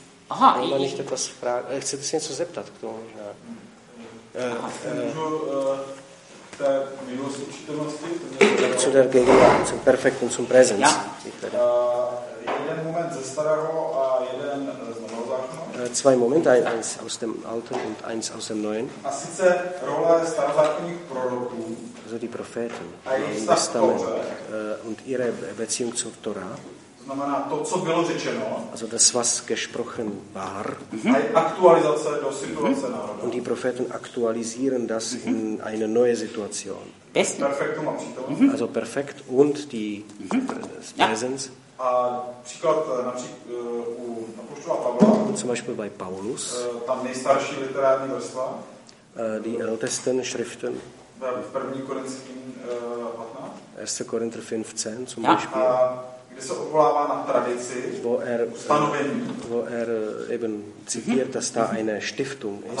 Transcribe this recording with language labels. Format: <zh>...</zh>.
<de>Aha, ich will nicht etwas fragen. Ich will ein bisschen zu</de> <cs>k tomu.</cs> <de>Ja. Zu der Gegenwart, zum Perfekt und zum Präsenz. Ja.</de> <cs>Jeden Moment ze starého a jeden z nového zákona.</cs> <de>Zwei Momente, eins aus dem Alten und eins aus dem Neuen.</de> <cs>A sice role starozákonních proroků.</cs> <de>Also die Propheten.</de> <cs>A jejich vztah k Tore.</cs> <de>Und ihre Beziehung zur Tora.</de> <cs>To znamená to, co bylo řečeno.</cs> <de>Also das, was gesprochen war.</de> <cs>Mhm. A aktualizace do situace národa.</cs> <de>Und die Propheten aktualisieren das in eine neue Situation. Besten.</de> <cs>Perfektum a přítomnost. Mhm.</cs> <de>Also perfekt und die Präsenz. Ja.</de> <cs>A příklad například u apoštola Pavla.</cs> <de>Zum Beispiel bei Paulus.</de> <cs>Tam nejstarší literární vrstva.</cs> <de>Die ältesten Schriften.</de> <cs>V 1. Korintským 15.</cs> <de>1. Korintr 15, zum Beispiel.</de> <cs>A kde se odvolává na tradici, stanovení.</cs> <de>Wo eben zitiert, dass da eine Stiftung ist.</de>